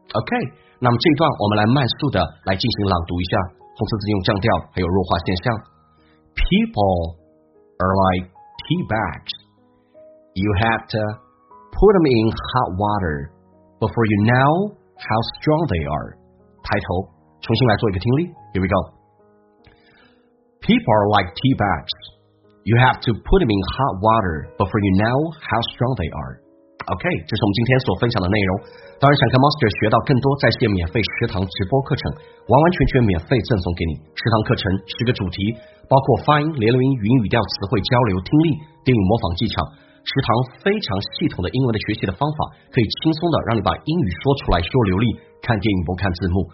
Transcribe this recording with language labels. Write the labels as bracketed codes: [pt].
[zh] OK， 那么这一段我们来慢速的来进行朗读一下，红色字用降调还有弱化现象。 [en] People are like tea bags. You have to put them in hot water before you know how strong they are. [zh] 抬头重新来做一个听力。 [en] Here we go. People are like tea bags. You have to put them in hot water before you know how strong they are. [zh] OK， 这是我们今天所分享的内容。当然想跟 Master 学到更多在线免费食堂直播课程，完完全全免费赠送给你。食堂课程十个主题，包括发音、连读音、云语调、词汇交流、听力、电影模仿技巧。食堂非常系统的英文的学习的方法，可以轻松的让你把英语说出来说流利，看电影不看字幕。